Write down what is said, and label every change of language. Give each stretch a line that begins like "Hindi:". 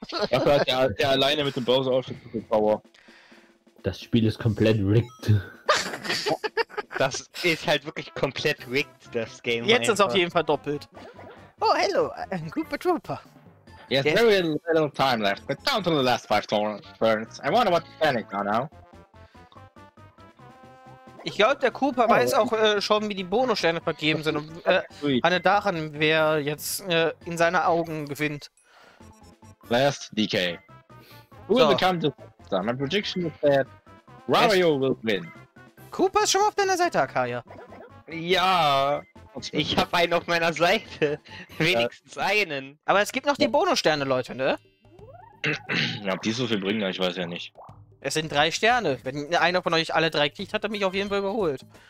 German: Dafür hat der alleine mit dem Bowser auch schon Power. Das Spiel ist komplett rigged. Das ist halt wirklich komplett rigged, das Game. Jetzt einfach. Ist es auf jeden Fall doppelt.
English: Oh, hello, I'm Koopa Troopa. Yes, there is a little time left. But down to the last 5 turns. I wonder what's happening now.
German: Ich glaube, der Koopa weiß auch schon, wie die Bonussterne vergeben sind. Und handelt daran, wer jetzt in seiner Augen gewinnt.
English: Last DK. Who will become the star? My prediction is that Mario will win.
German: Koopa ist schon auf deiner Seite, Akaya. Ja, ich habe einen auf meiner Seite. Wenigstens einen. Aber es gibt noch die Bonussterne, Leute, ne? Ob die so viel bringen, ich weiß ja nicht. Es sind 3 Sterne. Wenn einer von euch alle 3 kriegt, hat er mich auf jeden Fall überholt.